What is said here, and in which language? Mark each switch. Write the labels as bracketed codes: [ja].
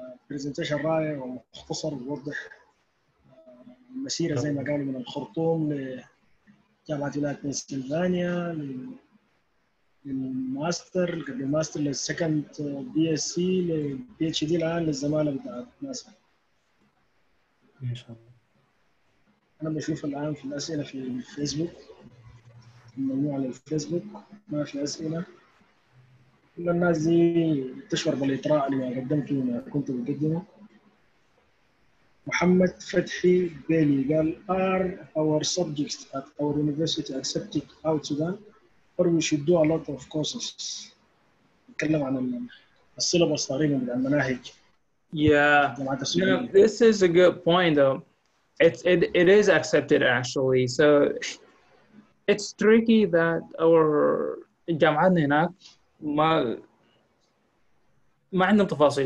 [ar] برزنتيشن رائع ومختصر ووضح المسيره زي ما قالوا من الخرطوم لجامعه ولايه بنسلفانيا للماستر قبل الماستر للسكند بي اس سي للبي اتش دي الان للزماله بتاعت ناسا. ان شاء الله. انا بشوف الان في الاسئله في الفيسبوك المجموعه على الفيسبوك ما في اسئله. كل الناس دي تشعر بالإطراء اللي قدمته وما كنت بقدمه. محمد فتحي بيلي قال [en] Are our subjects at our university accepted out to them or we should do a lot of courses? [ar] نتكلم عن السيلابس تقريبا من المناهج. [en] Yeah, you know, this is a good point though. It is accepted actually. So it's tricky that our [ar] جامعاتنا هناك ما عندهم تفاصيل.